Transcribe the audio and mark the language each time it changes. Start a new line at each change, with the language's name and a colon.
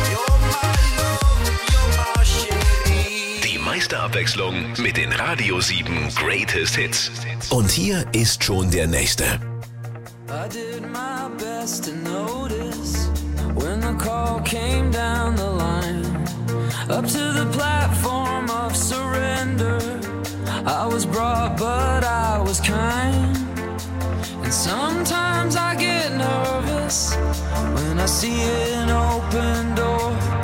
English: You're my love, you're my sherry.
German: Die Meisterabwechslung mit den Radio 7 Greatest Hits. Und hier ist schon der Nächste.
English: I did my best to notice when the call came down the line. Up to the platform of surrender, I was brought but I was kind. And sometimes I get nervous when I see an open door.